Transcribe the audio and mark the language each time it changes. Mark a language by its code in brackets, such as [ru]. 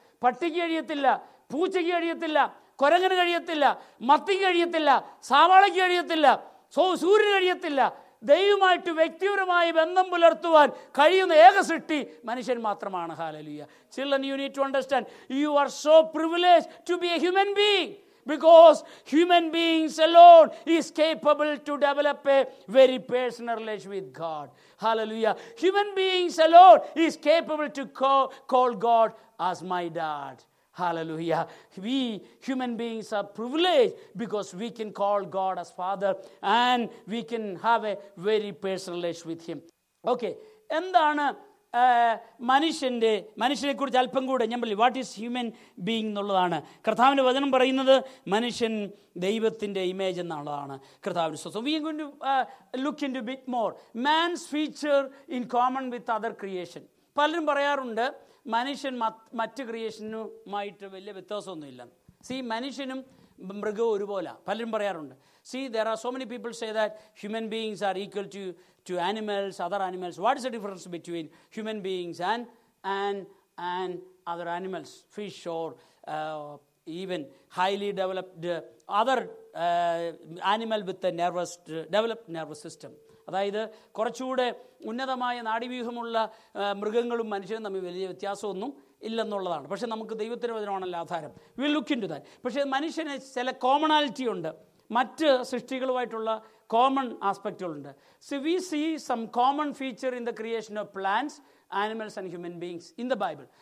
[ml] പട്ടിക്ക് കഴിയത്തില്ല, പൂച്ചയ്ക്ക് കഴിയത്തില്ല, കുരങ്ങന് കഴിയത്തില്ല, മത്തിക്ക് കഴിയത്തില്ല, സാവാളയ്ക്ക് കഴിയത്തില്ല, സൂര്യന് കഴിയത്തില്ല. ദൈവമായിട്ട് വ്യക്തിപരമായി ബന്ധം പുലർത്തുവാൻ കഴിയുന്ന ഏക സൃഷ്ടി മനുഷ്യൻ മാത്രമാണ്. ഹാലലുയ്യ. [en] Children, you need to understand, you are so privileged to be a human being. Because human beings alone is capable to develop a very personal relationship with God. Hallelujah. Human beings alone is capable to call God as my dad. Hallelujah. We human beings are privileged because we can call God as father and we can have a very personal relationship with him. Okay. [ml] എന്താണ് മനുഷ്യൻ്റെ, മനുഷ്യനെ കുറിച്ച് അല്പം കൂടെ ഞാൻ പറയും. [en] what is human being [ml] എന്നുള്ളതാണ് കർത്താവിൻ്റെ വചനം പറയുന്നത്. മനുഷ്യൻ ദൈവത്തിൻ്റെ ഇമേജ് എന്നുള്ളതാണ് കർത്താവിൻ്റെ സ്വസ്ഥ. [en] We are going to look into bit more man's feature in common with other creation. [ml] പലരും പറയാറുണ്ട് മനുഷ്യൻ മറ്റ് ക്രിയേഷനുമായിട്ട് വലിയ വ്യത്യാസമൊന്നുമില്ല. സി, മനുഷ്യനും മൃഗവും ഒരുപോലെ പലരും പറയാറുണ്ട്. [en] See, there are so many people say that human beings are equal to animals, other animals. What is the difference between human beings and other animals, fish or even highly developed other animal with a nervous developed nervous system? [ml] അതായത് കുറച്ചുകൂടെ ഉന്നതമായ നാഡീവ്യൂഹമുള്ള മൃഗങ്ങളും മനുഷ്യരും തമ്മിൽ വലിയ വ്യത്യാസമൊന്നും ഇല്ലെന്നുള്ളതാണ്. പക്ഷേ നമുക്ക് ദൈവത്തിൻ്റെ വചനമാണല്ലോ ആധാരം. [en] We'll look into that. [ml] പക്ഷേ മനുഷ്യന് ചില കോമണാലിറ്റി ഉണ്ട്, മറ്റ് സൃഷ്ടികളുമായിട്ടുള്ള common ആസ്പെക്റ്റുകളുണ്ട്. [en] See, we see some common feature in the creation of plants, animals and human beings in the Bible.